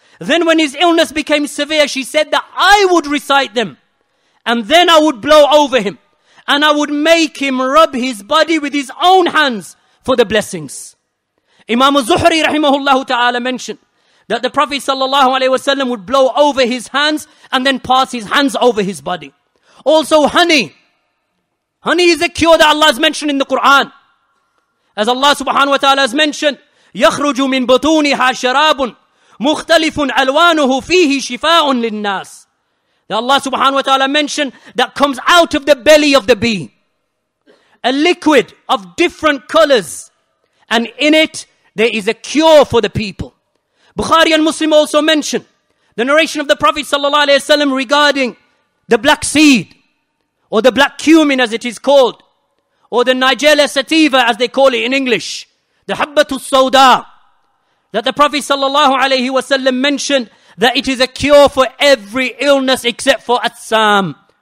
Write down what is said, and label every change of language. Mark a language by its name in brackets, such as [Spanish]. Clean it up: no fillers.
[English] Then when his illness became severe, she said that I would recite them, and then I would blow over him, and I would make him rub his body with his own hands for the blessings. Imam Zuhri rahimahullah ta'ala mentioned that the Prophet sallallahu alaihi wasallam would blow over his hands and then pass his hands over his body. Also honey. Honey is a cure that Allah has mentioned in the Quran. [Arabic] As Allah subhanahu wa ta'ala has mentioned, يَخْرُجُ مِن بُطُونِهَا شَرَابٌ مُخْتَلِفٌ أَلْوَانُهُ فِيهِ شِفَاءٌ لِلنَّاسِ. [English] That Allah subhanahu wa ta'ala mentioned that comes out of the belly of the bee. A liquid of different colors. And in it, there is a cure for the people. Bukhari and Muslim also mention the narration of the Prophet sallallahu alaihi wasallam regarding the black seed, or the black cumin as it is called, or the Nigella sativa as they call it in English, the Habbatul Sauda, that the Prophet sallallahu alaihi wasallam mentioned that it is a cure for every illness except for Assam.